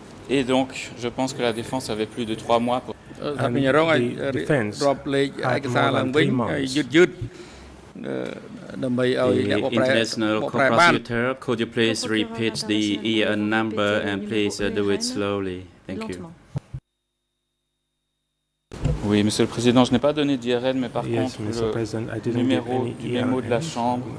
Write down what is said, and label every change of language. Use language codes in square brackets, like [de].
[fr] Et donc, je pense que la défense avait plus de 3 mois pour. [en] International prosecutor, could you please repeat the EIN number and please do it slowly? Thank you. [fr] Oui, Monsieur le Président, je n'ai pas donné d'IRN, mais par contre, le numéro du mémo de la Chambre